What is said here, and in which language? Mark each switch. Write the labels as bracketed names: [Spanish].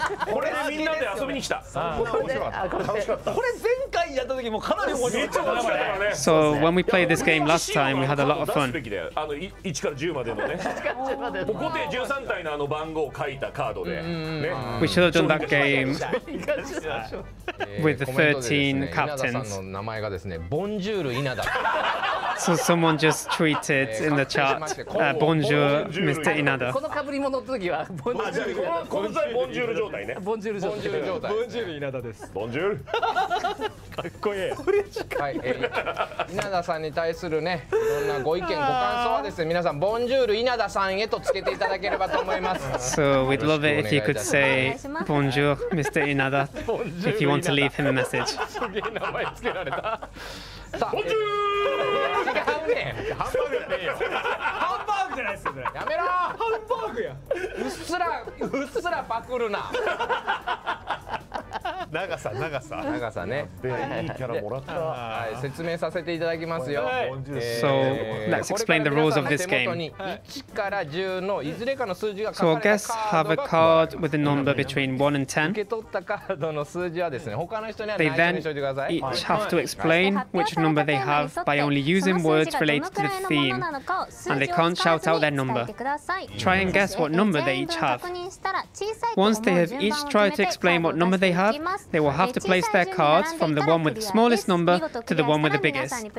[Japanese] これでみんなで遊びに来た。これ前回やった時もかなり面白かったからね。 [English] So when we played this game last time, we had a lot of fun. [Japanese] 1から10までのね。固定13体のあの番号を書いたカードで。 [English] We should have done that game with the 13 captains. [Japanese] 稲田さんの名前がですね、ボンジュール稲田。 [English] So someone just tweeted in the chat, Bonjour, Mr. Inada. [Japanese] この被り物の時はボンジュール。この際ボンジュール状態ね。ボンジュール状態。ボンジュール稲田です。ボンジュール。かっこいい。嬉しかった稲田さんに対するね、いろんなご意見、ご感想はですね、皆さん、ボンジュール稲田さんへとつけていただければと思います。 [English] So we'd love it if you could say Bonjour, Mr. Inada, if you want to leave him a message. [Japanese] すげえ名前つけられた。さあ、ボンジュール。違うねん。ハンバーグじゃないっすよ。やめろ。ハンバーグや。うっすら、うっすらパクるな。長さ、長さ。長さね。いいキャラもらった。はい、説明させていただきますよ。 [English] So, let's explain the rules of this game. [Japanese] 1から10のいずれかの数字が書かれたカードが。 [English] So, guests have a card with a number between 1 and 10. [Japanese] 受け取ったカードの数字はですね、他の人には内緒にしておいてください。 [English] They then each have to explain which number they have by only using words related to the theme. And they can't shout out their number. Try and guess what number they each have. Once they have each tried to explain what number they have,They will have to place their cards from the one with the smallest number to the one with the biggest.